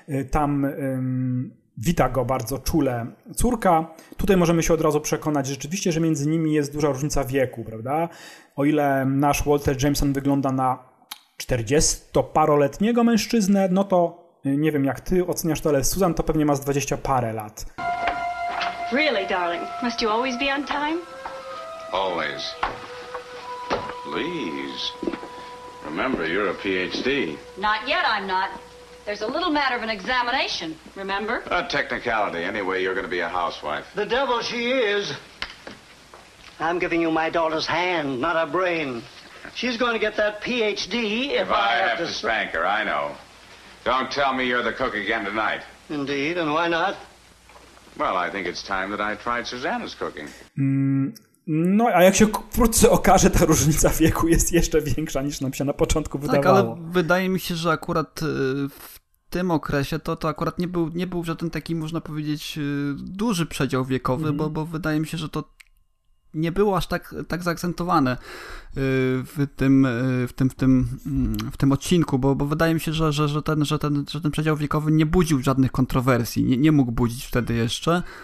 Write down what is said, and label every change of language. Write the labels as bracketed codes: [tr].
[pl] Tam wita go bardzo czule córka. Tutaj możemy się od razu przekonać rzeczywiście, że między nimi jest duża różnica wieku, prawda? O ile nasz Walter Jameson wygląda na 40-paroletniego mężczyznę, no to nie wiem, jak ty oceniasz to, ale Susan to pewnie ma z 20 parę lat. [en] Really, darling? Must you always be on time? Always. Please. Remember, you're a PhD. Not yet, I'm not. There's a little matter of an examination, remember? A technicality. Anyway, you're going to be a housewife. The devil she is. I'm giving you my daughter's hand, not her brain. She's going to get that PhD if I have to spank her, I know. Don't tell me you're the cook again tonight. Indeed, and why not? Well, I think it's time that I tried Susanna's cooking. [pl] No, a jak się wkrótce okaże, ta różnica wieku jest jeszcze większa, niż nam się na początku wydawało. Tak, ale wydaje mi się, że akurat w tym okresie to akurat nie był żaden taki, można powiedzieć, duży przedział wiekowy, bo wydaje mi się, że to nie było aż tak zaakcentowane w tym odcinku, bo wydaje mi się, że ten przedział wiekowy nie budził żadnych kontrowersji, nie mógł budzić wtedy jeszcze.